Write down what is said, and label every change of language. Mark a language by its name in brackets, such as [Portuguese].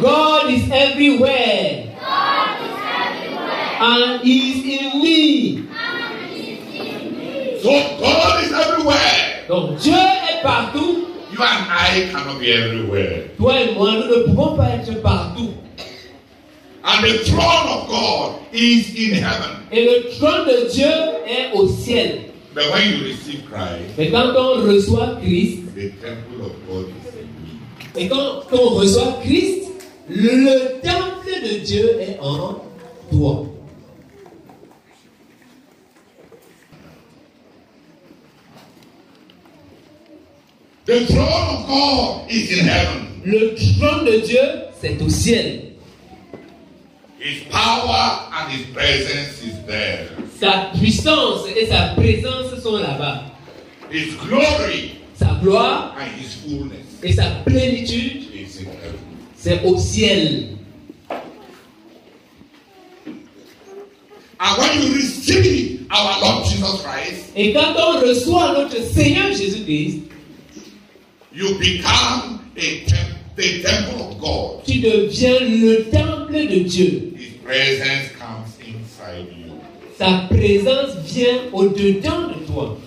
[English] God is everywhere. God is everywhere. And he's in me. So God is everywhere. [French] Donc Dieu est partout. [English] You and I cannot be everywhere. [French] Toi et moi, nous ne pouvons pas être partout. [English] And the throne of God is in heaven. [French] Et le trône de Dieu est au ciel. [English] But when you receive Christ, [French] et quand on reçoit Christ, [English] the temple of God is in me. [French] Et quand on reçoit Christ, le temple de Dieu est en toi. [English] The throne of God is in heaven. [French] Le trône de Dieu, c'est au ciel. [English] His power and his presence is there. [French] Sa puissance et sa présence sont là-bas. [English] His glory, [French] sa gloire, [English] and his fullness, [French] et sa plénitude, [English] is in heaven. [French] C'est au ciel. [English] And when you receive our Lord Jesus Christ, [French] et quand on reçoit notre Seigneur Jésus-Christ, [English] you become the temple of God. [French] Tu deviens le temple de Dieu. [English] His presence comes inside you. [French] Sa présence vient au-dedans de toi.